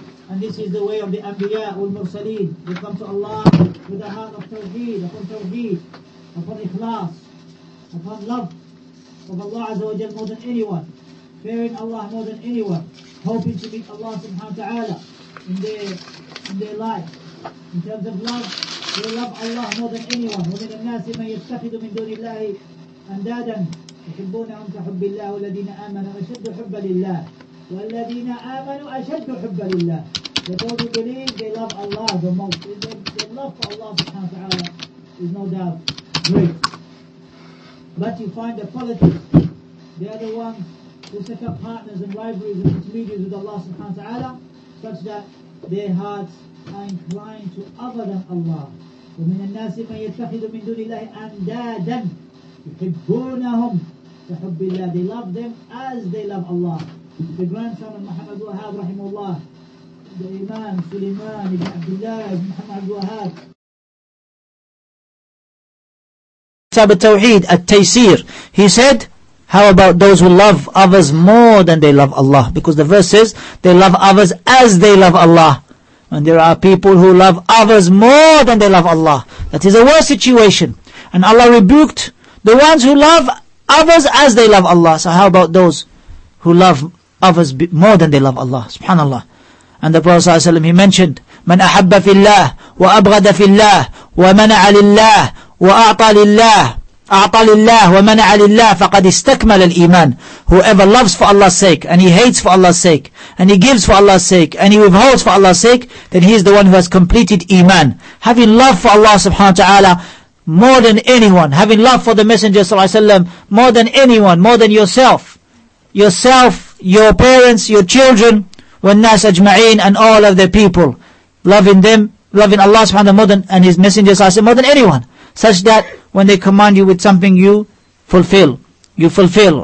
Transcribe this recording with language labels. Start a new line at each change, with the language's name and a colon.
English: And this is the way of the Anbiya wal-Mursaleen. They come to Allah with a heart of tawheed, upon ikhlas, upon love of Allah Azza wa Jalla more than anyone, fearing Allah more than anyone, hoping to meet Allah subhanahu wa ta'ala in their life. In terms of love, they love Allah more than anyone.
Arabic: وَمِنَ النَّاسِ مَنْ يَتَّخِذُ مِنْ دُونِ اللَّهِ أَنْدَادًا يُحِبُّونَهُمْ كَحُبِّ اللَّهِ وَالَّذِينَ آمَنُوا أَشَدُّ حُبًّا لِلَّهِ وَالَّذِينَ آمَنُوا أَشَدُّ حُبًّا لِلَّهِ
English: The people who believe they love Allah the most. Their love for Allah subhanahu wa ta'ala is no doubt great. But you find the politics, they are the ones who set up partners and rivalries and intermediaries with Allah subhanahu wa ta'ala such that their hearts are inclined to other than Allah.
Arabic: وَمِنَ النَّاسِ مَنْ يَتَّخِذُ مِنْ دُونِ اللَّهِ أَنْدَادًا يُحِبُّونَهُمْ كَحُبِّ اللَّهِ
English: They love them as they love Allah. The grandson of Muhammad Wahab rahimahullah, the Imam Suleiman ibn Abdullah ibn Muhammad Wahab.
Arabic: كتاب التوحيد التيسير.
English: He said, how about those who love others more than they love Allah? Because the verse says, they love others as they love Allah. And there are people who love others more than they love Allah. That is a worse situation. And Allah rebuked the ones who love others as they love Allah. So how about those who love others more than they love Allah? Subhanallah. And the Prophet ﷺ, he mentioned,
Arabic: من أحب في الله وأبغض في الله ومنع لله وأعطى لله أعطى لله ومنع لله فقد استكمل الإيمان.
English: Whoever loves for Allah's sake and he hates for Allah's sake and he gives for Allah's sake and he withholds for Allah's sake, then he is the one who has completed Iman. Having love for Allah subhanahu wa ta'ala more than anyone, having love for the Messenger sallallahu alayhi wa sallam more than anyone, more than yourself, yourself, your parents, your children,
Arabic: والناس أجمعين
English: and all of their people, loving them, loving Allah subhanahu wa ta'ala more than, and his Messenger sallallahu alayhi wa sallam more than anyone, such that when they command you with something, you fulfill. you fulfill.